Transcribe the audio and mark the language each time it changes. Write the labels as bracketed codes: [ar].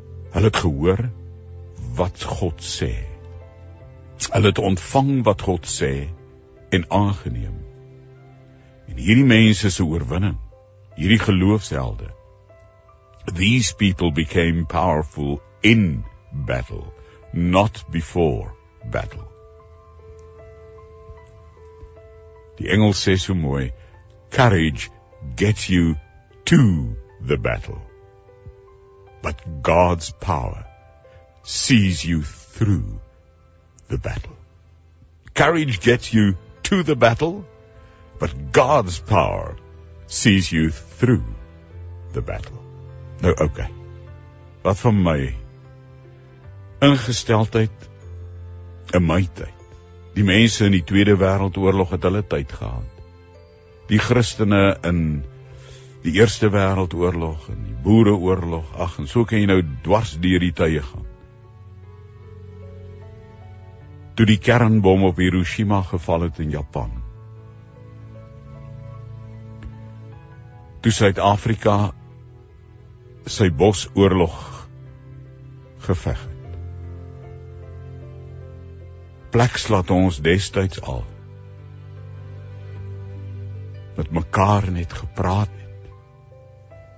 [af] Hulle het gehoor wat God sê. Hulle het ontvang wat God sê en aangeneem. En hierdie mense is 'n oorwinning, hierdie geloofshelde. [en] These people became powerful in battle, not before battle. [af] Die Engels sê so mooi, [en] courage gets you to the battle. But God's power sees you through the battle. Courage gets you to the battle, but God's power sees you through the battle. [af] Nou, okay. Wat van my ingesteldheid in my tyd? Die mense in die Tweede Wêreldoorlog het hulle tyd gehad. Die Christene in die Eerste Wêreldoorlog en die Boereoorlog, ach, en so kan jy nou dwars deur die tye gaan. Toe die kernbom op Hiroshima geval het in Japan. Toe Suid-Afrika sy bosoorlog geveg het. Plek slaat ons destijds al met mekaar net gepraat het.